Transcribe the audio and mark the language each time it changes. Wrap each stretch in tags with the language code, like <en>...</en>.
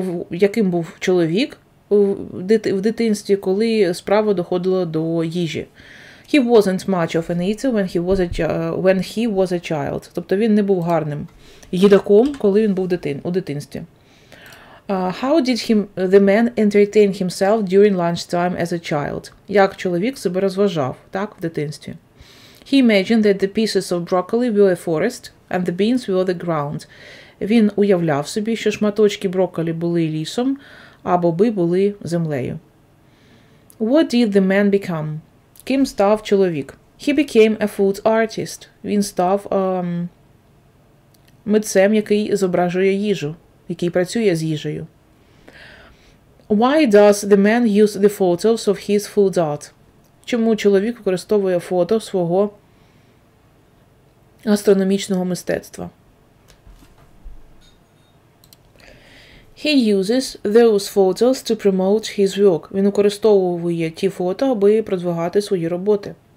<uk>Яким був чоловік в дитинстві, коли справа доходила до їжі?</uk> <en>He wasn't much of an eater when he was a child.</en> <uk>Тобто він не був гарним їдаком, коли він був у дитинстві.</uk> <en>How did the man entertain himself during lunchtime as a child?</en> <uk>Як чоловік себе розважав, так, в дитинстві?</uk> <en>He imagined that the pieces of broccoli were a forest and the beans were the ground.</en> <uk>Він уявляв собі, що шматочки брокколі були лісом, а боби були землею.</uk> <en>What did the man become?</en> <uk>Ким став чоловік?</uk> <en>He became a food artist.</en> <uk>Він став митцем, який зображує їжу, який працює з їжею.</uk> <en>Why does the man use the photos of his food art?</en> <uk>Чому чоловік використовує фото свого гастрономічного мистецтва?</uk> <en>He uses those photos to promote his work.</en> <uk>Він використовує ті фото, аби продвигати свої роботи.</uk>